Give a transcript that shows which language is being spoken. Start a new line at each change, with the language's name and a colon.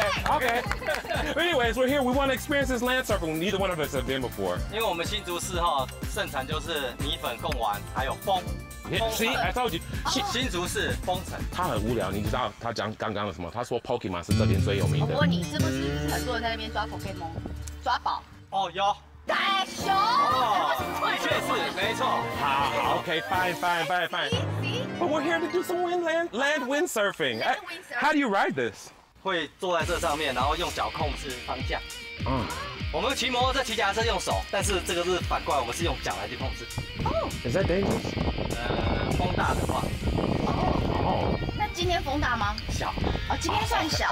English: OK Anyways, we're here. We want to experience this land surfing. Neither one of us have been before.
Chinese: 因为我们新竹市哈盛产就是米粉、贡丸，还有风。
English: See, I told you.
Chinese: 新竹市封城，他很无聊，你知道他讲刚刚的什么？他说 Pokemon 是这边最有名的。我问你，是不是很多人在那边抓 Pokemon， 抓宝？哦，有。袋熊。哦，确实，没错。
English: 好 ，OK， fine. But we're here to do some land windsurfing. How do you ride this？
Chinese: 会坐在这上面，然后用脚控制方向。嗯。我们骑摩托车、骑脚踏车用手，但是这个是反过来，我们是用脚来去控制。
English: Oh. Is that dangerous？
Chinese: 风大的话，那今天风大吗？小，哦，今天算小。